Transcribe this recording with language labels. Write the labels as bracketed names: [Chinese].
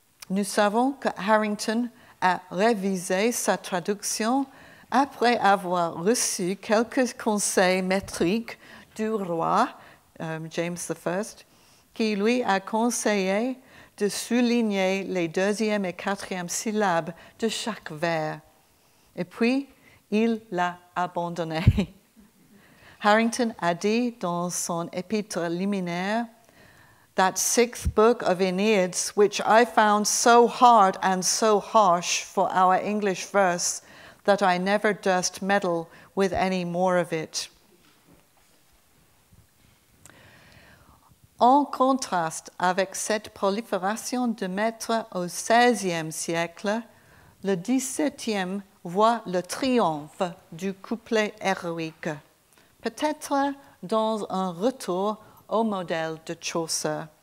[French] Nous savons que Harrington a révisé sa traduction après avoir reçu quelques conseils métriques du roi James I, qui lui a conseillé de souligner les deuxième et quatrième syllabes de chaque vers. Et puis, il l'a abandonné. [English] Harrington [French] a dit dans son épître liminaire, [English] "That sixth book of Aeneids, which I found so hard and so harsh for our English verse, that I never durst meddle with any more of it." [French] En contraste avec cette prolifération de maîtres au XVIe siècle, le XVIIe voit le triomphe du couplet héroïque, peut-être dans un retour au modèle de Chaucer.